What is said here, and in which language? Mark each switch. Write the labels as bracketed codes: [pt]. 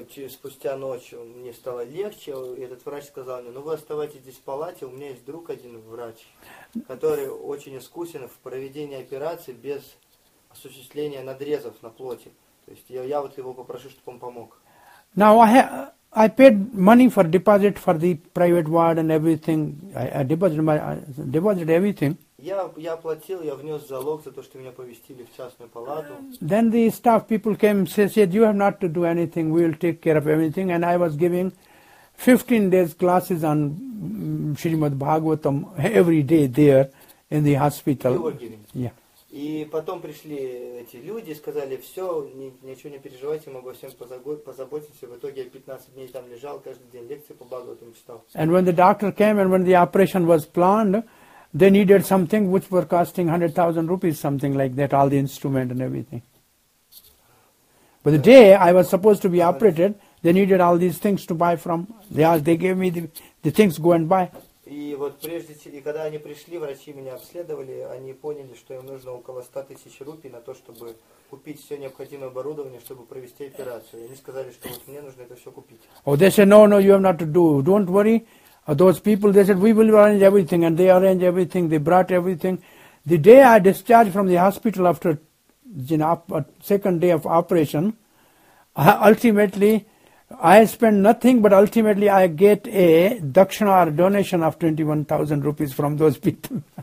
[ru] Спустя ночь мне стало легче, этот врач сказал мне, ну вы оставайтесь здесь в палате, у меня есть друг один врач, который очень искусен в проведении операции без осуществления надрезов на плоти. То есть я вот его попрошу, чтобы он помог. [en] Now I paid money for deposit for the private ward and everything. I deposited everything. [ru] Я оплатил, я внес залог за то, что меня поместили в частную палату. [en] Then the staff people came and said, you have not to do anything, we will take care of everything. And I was giving 15 days classes on Srimad Bhagavatam every day there in the hospital. Yeah. [ru] И потом пришли эти люди, сказали, все, ничего не переживайте, могу всем позаботиться. В итоге я 15 дней там лежал, каждый день лекции по Бхагаватам читал. [en] And when the doctor came and when the operation was planned, they needed something which were costing 100,000 rupees, something like that, all the instrument and everything. But the day I was supposed to be operated, they needed all these things to buy from. They gave me the things, go and buy. [ru] И вот прежде, и когда они пришли, врачи меня обследовали, они поняли, что им нужно около 100,000 рупий на то, чтобы купить все необходимое оборудование, чтобы провести операцию. И они сказали, что вот мне нужно это все купить. [en] Oh, they said, no, you have not to do, don't worry. Those people, they said, we will arrange everything, and they arranged everything, they brought everything. The day I discharged from the hospital after the second day of operation, I spent nothing, but ultimately I get a dakshina or donation of 21,000 rupees from those people.